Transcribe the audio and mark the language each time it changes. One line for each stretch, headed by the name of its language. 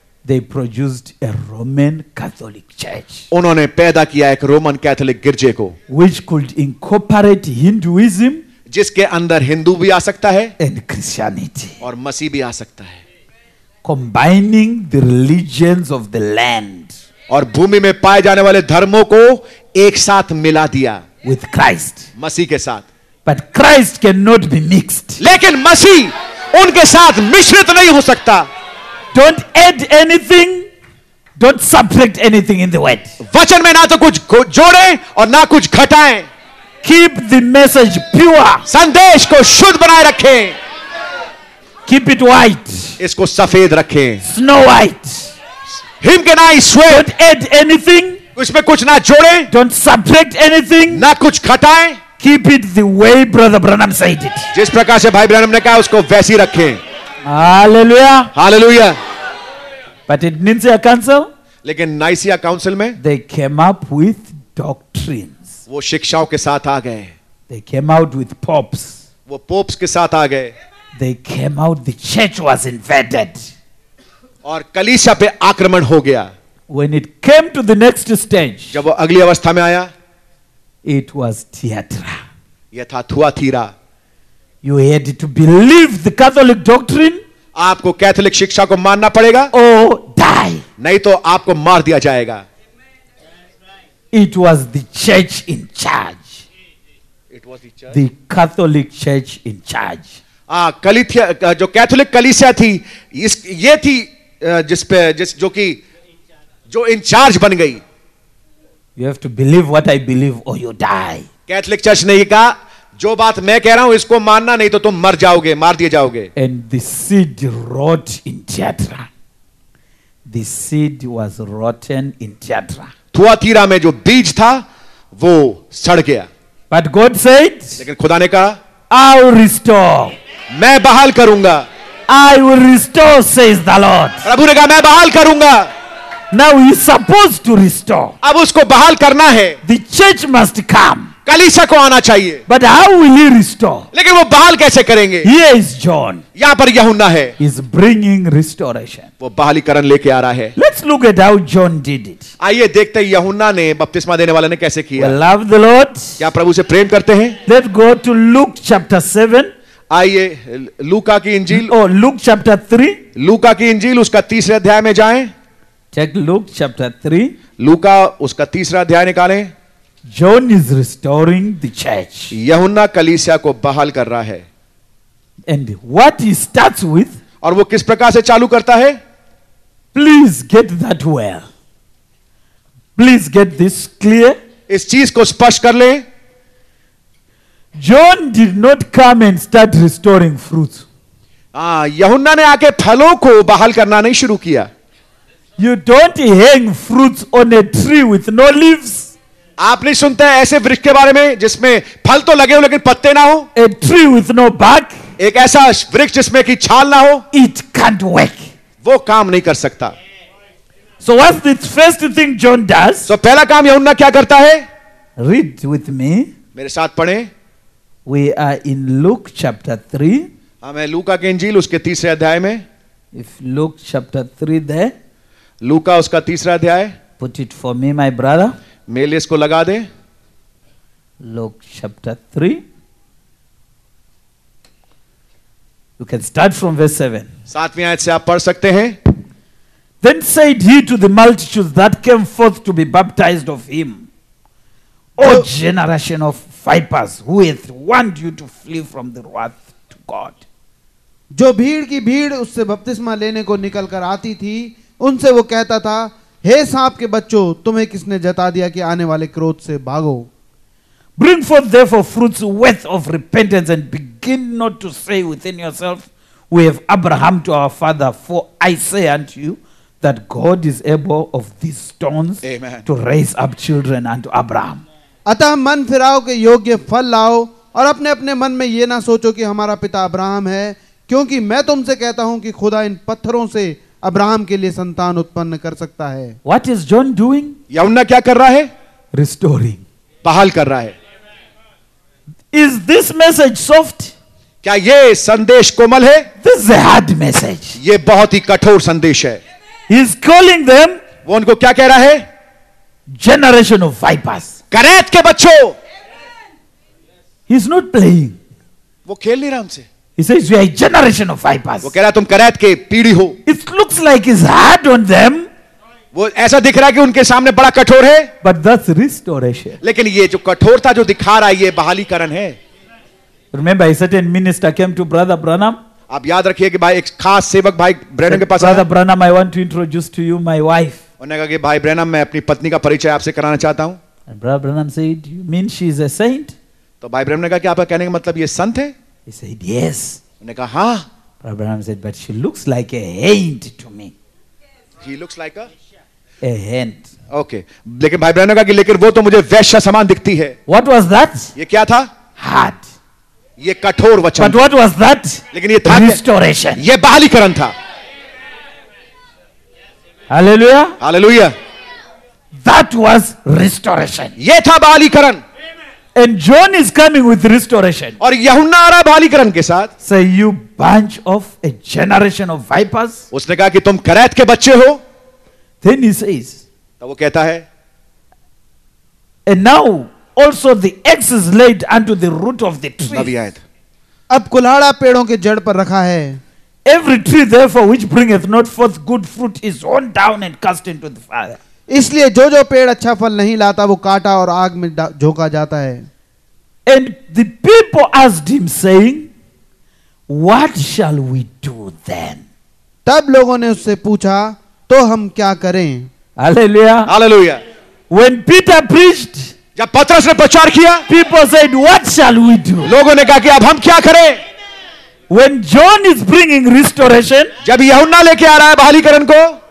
English: they produced a Roman Catholic Church.
Hindi: उन्होंने पैदा किया एक रोमन कैथोलिक गिरजे को,
English: which could incorporate Hinduism,
Hindi: जिसके अंदर हिंदू भी आ सकता है,
English: and Christianity,
Hindi: और मसीह भी आ सकता है.
English: Combining the religions of the land,
Hindi: और भूमि में पाए जाने वाले धर्मों को एक साथ मिला दिया,
English: with Christ,
Hindi: मसीह के साथ.
English: But Christ cannot be mixed.
Hindi: लेकिन मसीह उनके साथ मिश्रित नहीं हो सकता.
English: Don't add anything, don't subtract anything in the word.
Hindi: वचन में ना तो कुछ जोड़े और ना कुछ घटाएं.
English: Keep the message pure.
Hindi: संदेश को शुद्ध बनाए रखें.
English: Keep it white.
Hindi: इसको सफेद रखें.
English: Snow white. Him can I swear. Don't add anything.
Hindi: उसमें कुछ ना जोड़े.
English: Don't subtract anything.
Hindi: ना कुछ घटाएं.
English: Keep it the way Brother Branham said it.
Hindi: जिस प्रकार से भाई ब्रैनम ने कहा उसको वैसी रखें.
English: Hallelujah. Hallelujah. But in Nicaea Council,
Hindi: लेकिन Nicaea Council में,
English: they came up with doctrines.
Hindi: वो शिक्षाओं के साथ आ गए.
English: They came out with popes.
Hindi: वो पोप्स के साथ आ गए.
English: They came out. The church was invaded.
Hindi: और कलीसिया पे आक्रमण हो गया.
English: When it came to the next stage,
Hindi: जब वो अगली अवस्था में आया.
English: It was theater.
Hindi: ये था थुआथीरा.
English: You had to believe the Catholic doctrine.
Hindi: आपको कैथोलिक शिक्षा को मानना पड़ेगा.
English: Oh, die.
Hindi: नहीं तो आपको मार दिया जाएगा.
English: It was the church in charge. It was the church. The Catholic church in charge.
Hindi: जो कैथोलिक कलीसिया थी ये थी जिसपे जो कि जो इंचार्ज बन गई.
English: You have to believe what I believe or you die.
Hindi: Catholic church ने कहा जो बात मैं कह रहा हूं इसको मानना नहीं तो तुम मर जाओगे, मार दिए जाओगे.
English: And the seed rot in Thyatira. The seed was rotten in Thyatira.
Hindi: Thyatira में जो बीज था वो सड़ गया.
English: But God said,
Hindi: लेकिन खुदा ने कहा,
English: I'll restore.
Hindi: मैं बहाल करूंगा.
English: I will restore, says the Lord.
Hindi: प्रभु ने कहा मैं बहाल करूंगा.
English: Now he is supposed to restore.
Hindi: अब उसको बहाल करना है.
English: The church must come.
Hindi: कलीसिया को आना चाहिए.
English: But how will he restore?
Hindi: लेकिन वो बहाल कैसे करेंगे?
English: Here is John.
Hindi: यहाँ पर यूहन्ना है.
English: He is bringing restoration.
Hindi: वो बहालीकरण लेके आ रहा है.
English: Let's look at how John did it.
Hindi: आइए देखते हैं यूहन्ना ने बपतिस्मा देने वाले ने कैसे किया.
English: We love the Lord.
Hindi: क्या प्रभु से प्रेम करते हैं?
English: Let's go to Luke chapter 7.
Hindi: आइए लूका की इंजील.
English: Oh, Luke chapter 3.
Hindi: लूका की इंजील उसका तीसरे अध्याय में जाएं.
English: Check Luke chapter 3.
Hindi: लूका उसका तीसरा अध्याय निकालें.
English: John is restoring the church.
Hindi: यूहन्ना कलीसिया को बहाल कर रहा है.
English: And what he starts with?
Hindi: और वो किस प्रकार से चालू करता है?
English: Please get that well. Please get this clear.
Hindi: इस चीज को स्पष्ट कर ले.
English: John did not come and start restoring fruits.
Hindi: यहुन्ना ने आके फलों को बहाल करना नहीं शुरू किया.
English: You don't hang fruits on a tree with no leaves.
Hindi: आपने सुनते हैं ऐसे वृक्ष के बारे में जिसमें फल तो लगे हो लेकिन पत्ते ना हो.
English: A tree with no bark.
Hindi: एक ऐसा वृक्ष जिसमें की छाल ना हो.
English: It can't work.
Hindi: वो काम नहीं कर सकता.
English: So what's the first thing John does?
Hindi: So पहला काम यहुन्ना क्या करता है?
English: Read with me.
Hindi: मेरे साथ पढ़े.
English: We are in Luke chapter 3.
Hindi: हमें लूका के इंजील उसके तीसरे अध्याय में.
English: If Luke chapter 3 there.
Hindi: लूका उसका तीसरा अध्याय.
English: Put it for me, my brother.
Hindi: मेरे लिए इसको लगा दे.
English: Luke chapter 3. You can start from verse 7.
Hindi: सातवीं आयत से आप पढ़ सकते हैं.
English: Then said he to the multitudes that came forth to be baptized of him, O generation of vipers, who hath warned you to flee from the wrath to God?
Hindi: जो भीड़ की भीड़ उससे बपतिस्मा लेने को निकल कर आती थी, उनसे वो कहता था, हे सांप के बच्चों, तुम्हें किसने जता दिया कि आने वाले क्रोध से भागो?
English: Bring forth therefore fruits worth of repentance and begin not to say within yourself, we have Abraham to our father, for I say unto you that God is able of these stones Amen. To raise up children unto Abraham.
Hindi: अतः मन फिराओ के योग्य फल लाओ और अपने अपने मन में ये ना सोचो कि हमारा पिता अब्राहम है क्योंकि मैं तुमसे कहता हूं कि खुदा इन पत्थरों से अब्राहम के लिए संतान उत्पन्न कर सकता है.
English: What is John doing?
Hindi: यहुन्ना क्या कर रहा है?
English: Restoring.
Hindi: बहाल कर रहा है.
English: Is this message soft?
Hindi: क्या ये संदेश कोमल है?
English: This is a hard message.
Hindi: ये बहुत ही कठोर संदेश है.
English: He is calling them.
Hindi: वो उनको क्या कह रहा है?
English: Generation of vipers.
Hindi: करेत के बच्चों.
English: He is not playing.
Hindi: वो खेल नहीं रहा उनसे.
English: He says we are a generation of vipers.
Hindi: वो कह रहा तुम करेत के पीढ़ी हो.
English: It looks like he's hard on them.
Hindi: वो ऐसा दिख रहा है कि उनके सामने बड़ा कठोर है.
English: But that's restoration.
Hindi: लेकिन ये जो कठोरता जो दिखा रहा है ये बहालीकरण है.
English: Remember, a certain minister came to Brother Branham.
Hindi: आप याद रखिए कि भाई एक खास सेवक भाई ब्रैनम के पास आया.
English: Branham, I want to introduce to you my wife.
Hindi: उन्होंने कहा कि भाई ब्रैनम मैं अपनी पत्नी का परिचय आपसे कराना चाहता हूँ.
English: And Brother Branham said, you mean she is a saint?
Hindi: तो भाई ब्रैनम ने कहा कि आपका कहने का मतलब ये संत है?
English: He said, yes.
Hindi: उन्होंने कहा हाँ.
English: Brother Branham said, but she looks like a hand to me. She looks like a? A hand. Okay.
Hindi: लेकिन भाई ब्रैनम ने कहा कि लेकिन वो तो मुझे वैश्य समान दिखती है.
English: What was that?
Hindi: ये क्या था?
English: Heart.
Hindi: ये कठोर वचन.
English: But what was that?
Hindi: लेकिन ये था
English: Restoration.
Hindi: ये बहालीकरण था. Hallelujah. Hallelujah.
English: That was restoration.
Hindi: ये था बहालीकरण.
English: And John is coming with restoration.
Hindi: और यहुन्ना आ रहा बहालीकरण के साथ.
English: Say you bunch of a generation of vipers.
Hindi: उसने कहा कि तुम करेत के बच्चे हो.
English: Then he says.
Hindi: तब वो कहता है.
English: And now. Also, the axe is laid unto the root of the tree.
Hindi: अब कुल्हाड़ा पेड़ों के जड़ पर रखा है.
English: Every tree, therefore, which bringeth not forth good fruit, is hewn down and cast into the fire.
Hindi: इसलिए जो-जो पेड़ अच्छा फल नहीं लाता, वो काटा और आग में झोंका जाता है.
English: And the people asked him, saying, "What shall we do then?"
Hindi: तब लोगों ने उससे पूछा, तो हम क्या करें?
English: Hallelujah! Hallelujah! When Peter preached.
Hindi: जब पत्रस ने प्रचार किया,
English: People said, "What shall we do?"
Hindi: लोगों ने कहा कि अब हम क्या करें?
English: When John is bringing restoration,
Hindi: जब यहुन्ना लेके आ रहा है बहालीकरण को,